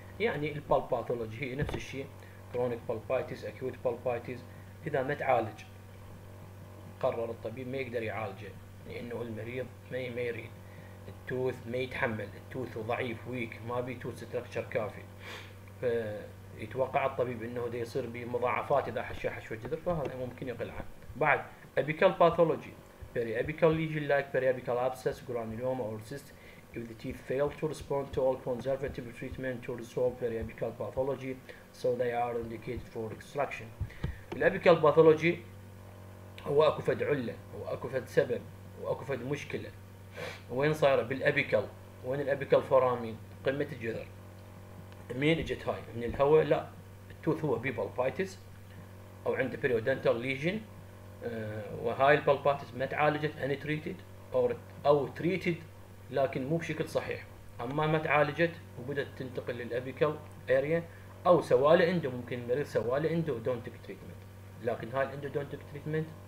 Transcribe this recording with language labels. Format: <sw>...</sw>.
<ar>يعني البالب باثولوجي هي نفس الشيء، كرونيك بالبايتس اكيوت بالبايتس، اذا ما تعالج قرر الطبيب ما يقدر يعالجه لانه المريض ما يريد، التوث ما يتحمل، التوث ضعيف ويك ما بي توث ستراكشر كافي، فيتوقع الطبيب انه ده يصير بمضاعفات اذا حشى حشوه جذر فهذا ممكن يقلعه.</ar> <en>بعد apical pathology, periapical lesion like periapical abscess granuloma or cyst if the teeth fail to respond to all conservative treatment to resolve periapical pathology so they are indicated for extraction.</en> <ar>الابيكال باثولوجي هو اكو فد عله، هو اكو فد سبب، واكو فد مشكله، وين صايره؟ بالابيكال، وين الابيكال فورامين؟ قمه الجذر. مين اجت هاي؟ من الهواء؟ لا، التوث هو بالبايتس او عند بيريودنتال ليجن، وهاي البالبايتس ما تعالجت اني تريتد او تريتد لكن مو بشكل صحيح، اما ما تعالجت وبدت تنتقل للابيكال اريا او سواله عنده، ممكن المريض سواله عنده دونتك تريتمنت، لكن هاي عنده دونتك تريتمنت</ar>